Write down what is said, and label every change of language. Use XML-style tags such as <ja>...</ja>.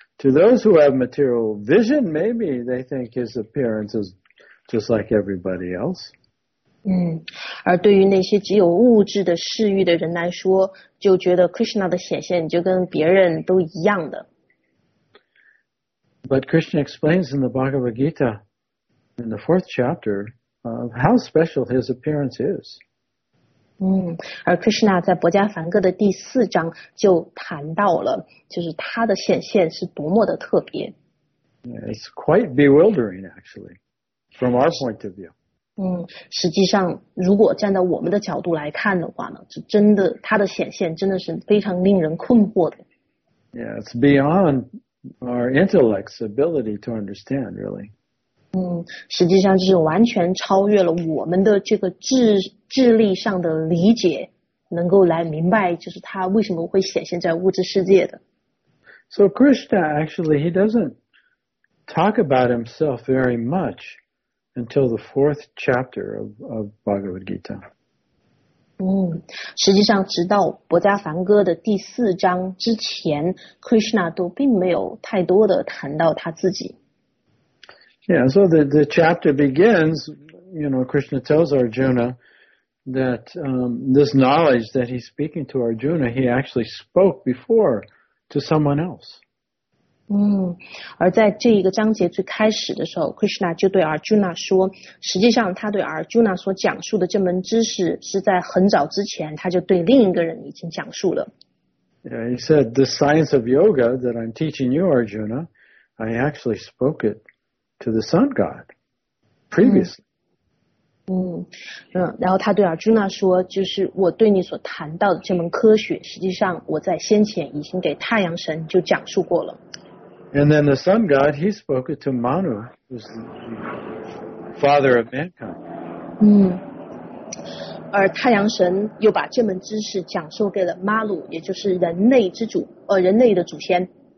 <en>To those who have material vision, maybe they think his appearance is just like everybody else.</en> <zh>而对于那些只有物质的视域的人来说，就觉得 Krishna 的显现就跟别人都一样的。</zh> <en>But Krishna explains in the Bhagavad Gita, in the fourth chapter, how special his appearance is.</en> <zh>而 Krishna 在博迦梵歌的第四章就谈到了，就是他的显现是多么的特别。</zh> <en>Yeah, it's quite bewildering, actually, from our point of view.</en> <zh>实际上，如果站在我们的角度来看的话呢，是真的，他的显现真的是非常令人困惑的。</zh> <en>Yeah, it's beyond our intellect's ability to understand, really.</en> <zh>实际上就是完全超越了我们的这个智力上的理解，能够来明白就是他为什么会显现在物质世界的。</zh> <en>So Krishna actually, he doesn't talk about himself very much until the fourth chapter of Bhagavad Gita.</en> <zh>实际上直到《博迦梵歌》的第四章之前， Krishna 都并没有太多的谈到他自己。</zh> <en>Yeah, so the chapter begins, you know, Krishna tells Arjuna that this knowledge that he's speaking to Arjuna, he actually spoke before to someone else.</en> <zh>而在这一个章节最开始的时候， Krishna 就对 Arjuna 说，实际上他对 Arjuna 所讲述的这门知识是在很早之前他就对另一个人已经讲述了。</zh> <en>Yeah, he said, the science of yoga that I'm teaching you, Arjuna, I actually spoke it to the sun god previously.</en> <zh>然后他对 Arjuna 说，就是我对你所谈到的这门科学，实际上我在先前已经给太阳神就讲述过了。</zh> <en>And then the sun god, he spoke it to Manu, who's the father of mankind.</en> <zh>而太阳神又把这门知识讲授给了 Manu, 也就是人类之主，人类的祖先。</zh>